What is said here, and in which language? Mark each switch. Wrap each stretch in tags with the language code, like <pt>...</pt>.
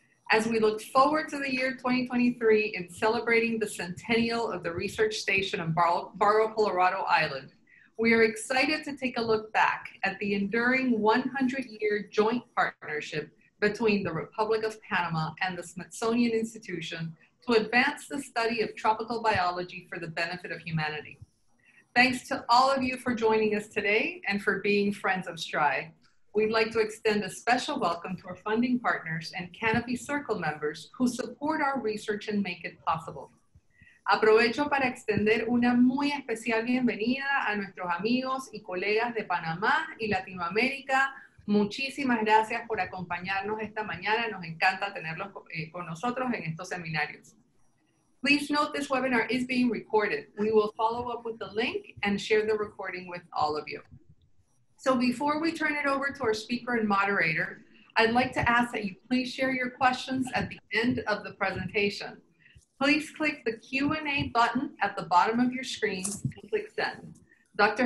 <en>As we look forward to the year 2023 in celebrating the centennial of the research station on Barro Colorado Island, we are excited to take a look back at the enduring 100-year joint partnership between the Republic of Panama and the Smithsonian Institution to advance the study of tropical biology for the benefit of humanity. Thanks to all of you for joining us today and for being friends of STRI. We'd like to extend a special welcome to our funding partners and Canopy Circle members who support our research and make it possible.</en> <es>Aprovecho para extender una muy especial bienvenida a nuestros amigos y colegas de Panamá y Latinoamérica. Muchísimas gracias por acompañarnos esta mañana. Nos encanta tenerlos con nosotros en estos seminarios.</es> <en>Please note this webinar is being recorded. We will follow up with the link and share the recording with all of you. So before we turn it over to our speaker and moderator, I'd like to ask that you please share your questions at the end of the presentation. Please click the Q&A button at the bottom of your screen and click send. Dr.</en>